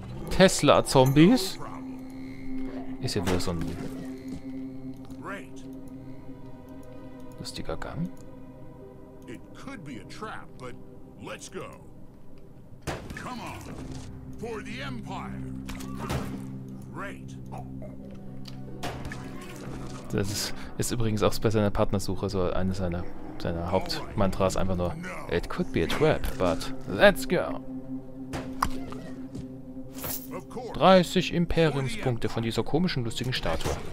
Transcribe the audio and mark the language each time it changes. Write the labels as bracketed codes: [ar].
[de] Tesla-Zombies? Ist ja wieder so ein lustiger Gang. [en] It could be a trap, but let's go. Come on. For the Empire. Great. [de] Das ist übrigens auch bei seiner Partnersuche so eine seiner Hauptmantras einfach nur. [en] It could be a trap, but let's go. [de] 30 Imperiumspunkte von dieser komischen, lustigen Statue.